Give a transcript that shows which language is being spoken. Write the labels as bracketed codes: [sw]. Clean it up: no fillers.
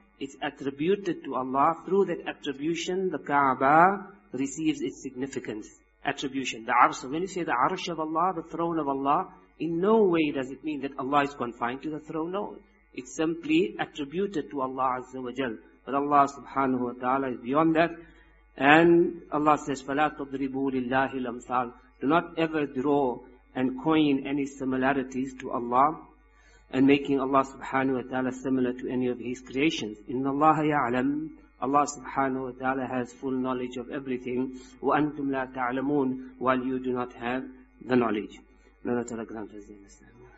[en] It's attributed to Allah. Through that attribution, the Kaaba receives its significance. Attribution. The Arsh. When you say the Arsh of Allah, the throne of Allah, in no way does it mean that Allah is confined to the throne. No. It's simply attributed to Allah Azza wa Jal. But Allah subhanahu wa ta'ala is beyond that. And Allah says, [ar] فَلَا تَضْرِبُوا لِلَّهِ الْأَمْثَالِ. [en] Do not ever draw and coin any similarities to Allah and making Allah subhanahu wa ta'ala similar to any of His creations. [ar] إِنَّ اللَّهَ يَعْلَمُ. [en] Allah subhanahu wa ta'ala has full knowledge of everything. [ar] وَأَنْتُمْ لَا تَعْلَمُونَ. [en] While you do not have the knowledge. May Allah grant us the understanding.